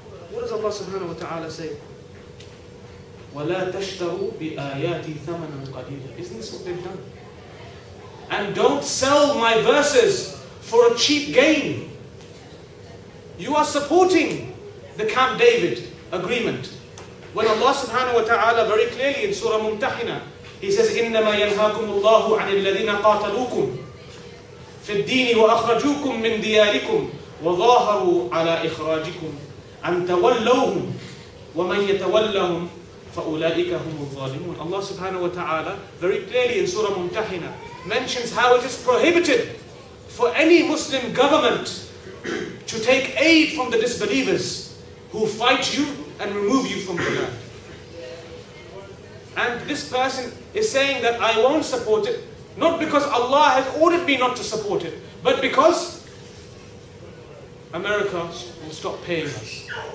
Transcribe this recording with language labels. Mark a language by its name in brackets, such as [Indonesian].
[English] What does Allah subhanahu wa ta'ala say? [Arabic] وَلَا تَشْتَرُوا بِآيَاتِي ثَمَنًا قَلِيلًا. [English] Isn't this what they've done? And don't sell my verses for a cheap gain. You are supporting the Camp David agreement. When Allah subhanahu wa ta'ala very clearly in Surah Mumtahina, He says, [Arabic] إِنَّمَا يَنْهَاكُمُ اللَّهُ عَنِ الَّذِينَ قَاتَلُوكُمْ فِي الدِّينِ وَأَخْرَجُوكُمْ مِنْ دِيَارِكُمْ وَظَاهَرُوا عَلَىٰ إِخْرَاجِكُمْ أَنْ تَوَلَّوْهُمْ وَمَنْ يَتَوَلَّهُمْ فَأُولَٰئِكَ هُمُ الظَّالِمُونَ. [English] Allah subhanahu wa ta'ala very clearly in Surah Mumtahina mentions how it is prohibited for any Muslim government to take aid from the disbelievers who fight you and remove you from the land. And this person is saying that I won't support it, not because Allah has ordered me not to support it, but because America will stop paying us.